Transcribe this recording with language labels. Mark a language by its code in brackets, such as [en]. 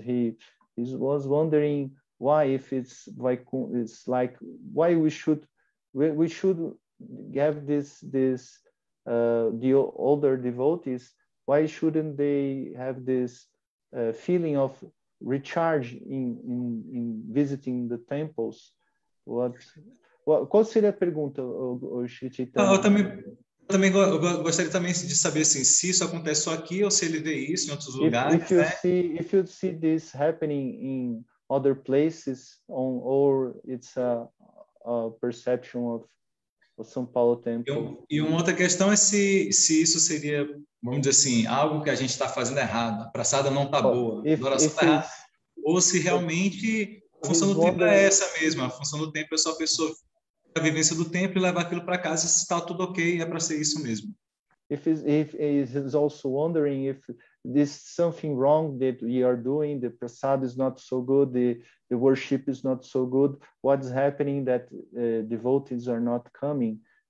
[en] He was wondering why, if it's like, why we should have this the older devotees, why shouldn't they have this feeling of recharge in visiting the temples. [pt] Qual seria a pergunta, o Shri Chaitanya? Ah, eu também gostaria também de saber assim, se isso acontece só aqui ou se ele vê isso em outros lugares, [en] if you né? If you see this happening in other places, or it's a perception of São Paulo Temple. [pt] E uma outra questão é se isso seria, vamos dizer assim, algo que a gente está fazendo errado. A praçada não está boa. A adoração está errada. Ou se realmente a função do templo é essa mesmo. A função do templo é só a pessoa ter a vivência do templo e levar aquilo para casa se está tudo ok, é para ser isso mesmo. [en] If he's also wondering if there's something wrong that we are doing, the prasada is not so good, the worship is not so good, what's happening that devotees are not coming?